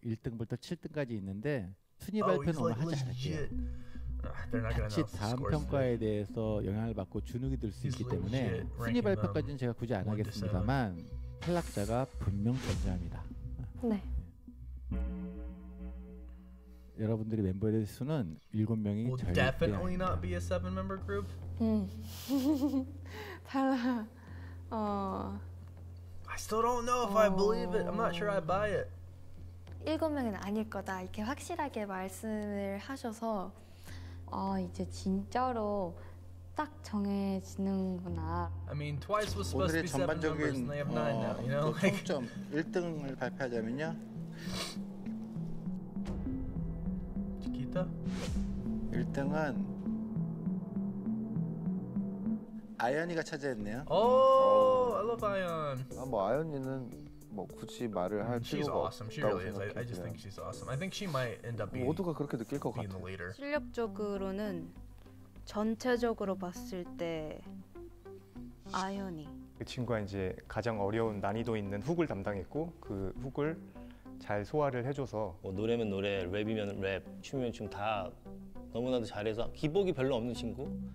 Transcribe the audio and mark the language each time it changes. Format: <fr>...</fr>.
<ko>1등부터 7등까지 있는데 순위 발표는 오늘 하지 않을게요. 같이 다음 평가에 대해서 영향을 받고 주눅이 들 수 있기 때문에 순위 발표까지는 제가 굳이 안 하겠습니다만 탈락자가 분명 존재합니다. 네. 여러분들이 멤버의 수는 7명이 절대</ko> <en>will definitely not be a 7 member group?</en> <ko>탈락</ko> <en>I still don't know if I believe it. I'm not sure I buy it.</en> <ko>일곱 명은 아닐 거다 이렇게 확실하게 말씀을 하셔서 이제 진짜로 딱 정해지는구나.</ko> <en>I mean, twice was supposed to be seven numbers, and they have nine now. You know,</en> <ko>그 총점 1등을 발표하자면요. Chiquita. 1등은 아연이가 차지했네요.</ko> <en>오, I love 아연.</en> <ko>아, 뭐 아연이는 뭐 굳이 말을 할 필요가 없다고 생각해요.</ko> <en>She's awesome. She really is. I just think she's awesome. I think she might end up being.</en> <ko>모두가 그렇게 느낄 것 같아. 실력적으로는 전체적으로 봤을 때 아연이. 그 친구가 이제 가장 어려운 난이도 있는 훅을 담당했고 그 훅을 잘 소화를 해줘서. 뭐 노래면 노래, 랩이면 랩, 춤이면 춤 다 너무나도 잘해서 기복이 별로 없는 친구.</ko>